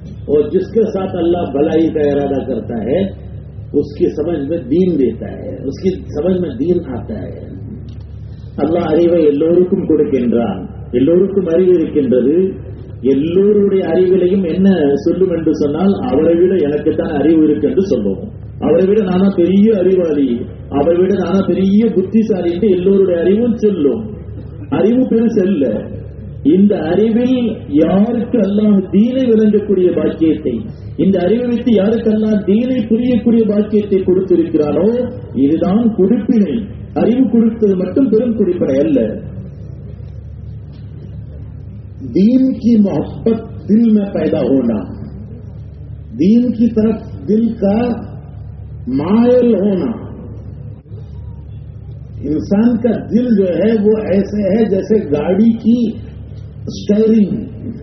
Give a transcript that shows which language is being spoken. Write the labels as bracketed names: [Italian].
[Urdu] اور جس کے ساتھ اللہ بھلائی کا ارادہ کرتا ہے اس کی سمجھ میں دین دیتا ہے، اس کی سمجھ میں دین آتا ہے. اللہ عریبہ اللہ علیہ [Tamil] எல்லோருக்கும் அறிவு இருக்கின்றது. எல்லோருடைய அறிவிலையும் என்ன சொல்லும் என்று சொன்னால், அவரை விட எனக்குத்தான் அறிவு இருக்கு என்று சொல்லுவோம். அவரை விட நானா பெரிய அறிவாளி, அவரை விட நானா பெரிய புத்திசாலி என்று எல்லோருடைய அறிவும் சொல்லும். அறிவு பெருசல்ல. இந்த அறிவில் யாருக்கு எல்லாம் தீனை விளங்கக்கூடிய பாக்கியத்தை, இந்த அறிவு வைத்து யாருக்கெல்லாம் தீனை புரியக்கூடிய பாக்கியத்தை கொடுத்திருக்கிறாரோ, இதுதான் குறிப்பினை. அறிவு கொடுத்தது மட்டும் பெரும் குறிப்பினை அல்ல. [Urdu] دین کی محبت دل میں پیدا ہونا، دین کی طرف دل کا مائل ہونا. انسان کا دل جو ہے وہ ایسے ہے جیسے گاڑی کی سٹیئرنگ.